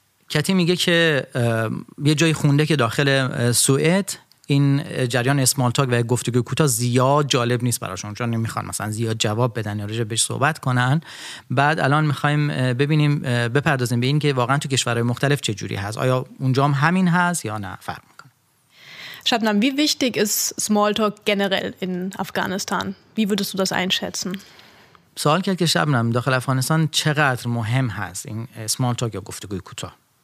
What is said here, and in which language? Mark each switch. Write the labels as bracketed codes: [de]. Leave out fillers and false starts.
[fa] Kati میگه که یه جایی خونده که داخل سوئد این جریان اسمالتاک و گفتگو کوتاه زیاد جالب نیست براشون، چون نمیخوان مثلا زیاد جواب بدن یا راجع بهش صحبت کنن. بعد الان میخوایم ببینیم، بپردازیم به این که واقعا تو کشورهای مختلف چه جوری هست، آیا اونجام همین هست یا نه فرق میکنه. [de] Shabnam, wie wichtig ist Smalltalk generell in Afghanistan? Wie würdest du das einschätzen? [fa] سوال کرد که Shabnam داخل افغانستان چقدر مهم هست این اسمالتاک یا گفتگو کوتاه.